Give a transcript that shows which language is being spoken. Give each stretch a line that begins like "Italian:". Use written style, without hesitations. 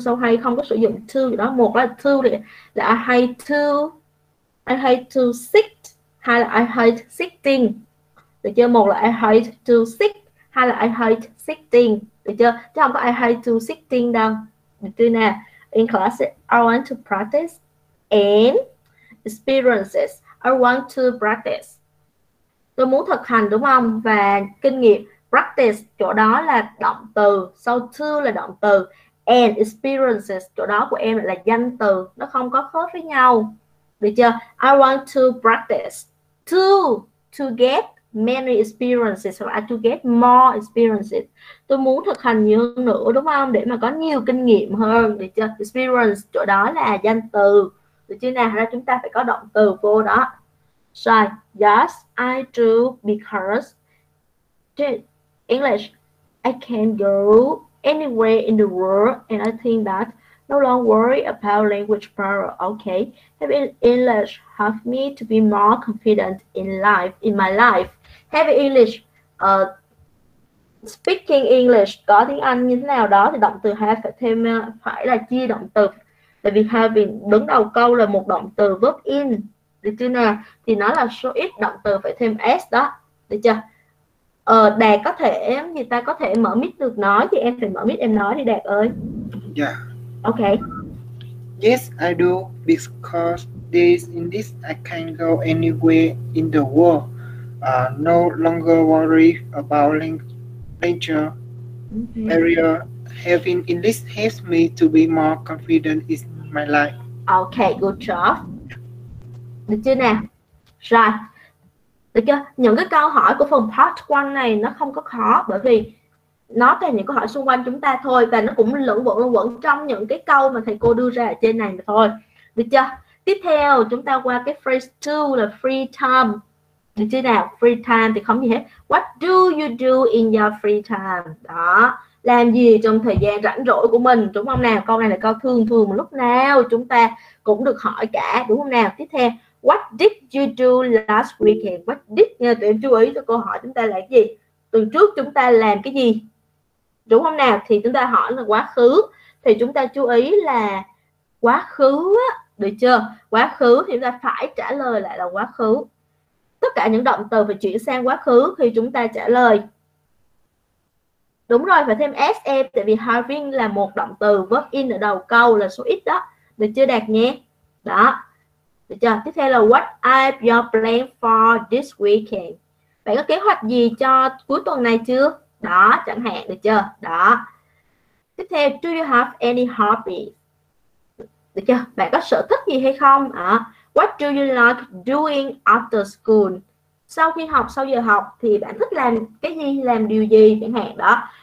Vietnamese: So hate không có sử dụng to đó. Một là to là
English: I hate to. I hate to sit.
Vietnamese: Hai là
English: I hate sitting.
Vietnamese: Được chưa? Một là
English: I hate to sit,
Vietnamese: hai là
English: I hate sitting.
Vietnamese: Được chưa? Chứ không có
English: I hate to sitting
Vietnamese: đâu. Được chưa nè?
English: In class, I want to practice and experiences. I want to practice.
Vietnamese: Tôi muốn thực hành đúng không? Và kinh nghiệm.
English: Practice,
Vietnamese: chỗ đó là động từ. Sau to là động từ.
English: And experiences,
Vietnamese: chỗ đó của em là danh từ. Nó không có khớp với nhau. Được chưa?
English: I want to practice. To get many experiences, or to get more experiences.
Vietnamese: Tôi muốn thực hành nhiều hơn nữa, đúng không? Để mà có nhiều kinh nghiệm hơn, được chưa? Experience, chỗ đó là danh từ. Được chưa nào? Ra chúng ta phải có động từ vô đó. Sai.
English: Yes, I do because in English, I can go anywhere in the world and I think that no longer worry about language barrier. Okay. Having English helped me to be more confident in life, in my life. Have English, speaking English,
Vietnamese: có tiếng Anh như thế nào đó thì động từ have phải thêm, phải là chia động từ. Tại vì having đứng đầu câu là một động từ verb in, được chưa nè? Thì nó là số ít động từ phải thêm s đó, được chưa? Đạt có thể, người ta có thể mở mic được nói thì em phải mở mic em nói đi Đạt ơi.
English: Yeah. Okay. Yes, I do because this in this I can go anywhere in the world. No longer worry about language barrier. Having English helps me to be more confident in my life. Okay, good job.
Vietnamese: Được chưa nè? Rồi. Được chưa? Những cái câu hỏi của phần part 1 này nó không có khó bởi vì nó toàn những câu hỏi xung quanh chúng ta thôi và nó cũng lẫn quẩn trong những cái câu mà thầy cô đưa ra ở trên này thôi. Được chưa? Tiếp theo chúng ta qua cái phrase 2 là free time. Được chưa nào? Free time thì không gì hết.
English: What do you do in your free time?
Vietnamese: Đó. Làm gì trong thời gian rảnh rỗi của mình? Đúng không nào? Câu này là câu thường thường mà lúc nào chúng ta cũng được hỏi cả. Đúng không nào? Tiếp theo.
English: What did you do last weekend? What did,
Vietnamese: tụi em chú ý cho câu hỏi chúng ta là cái gì? Tuần trước chúng ta làm cái gì? Đúng không nào? Thì chúng ta hỏi là quá khứ. Thì chúng ta chú ý là quá khứ á, được chưa? Quá khứ thì chúng ta phải trả lời lại là quá khứ. Tất cả những động từ phải chuyển sang quá khứ khi chúng ta trả lời. Đúng rồi, phải thêm SE, tại vì having là một động từ, verb in ở đầu câu là số ít đó. Được chưa Đạt nhé? Đó. Được chưa? Tiếp theo là
English: what are your plans for this weekend?
Vietnamese: Bạn có kế hoạch gì cho cuối tuần này chưa? Đó, chẳng hạn, được chưa? Đó. Tiếp theo,
English: do you have any hobbies?
Vietnamese: Được chưa? Bạn có sở thích gì hay không? À,
English: what do you like doing after school?
Vietnamese: Sau khi học, sau giờ học thì bạn thích làm cái gì, làm điều gì chẳng hạn đó.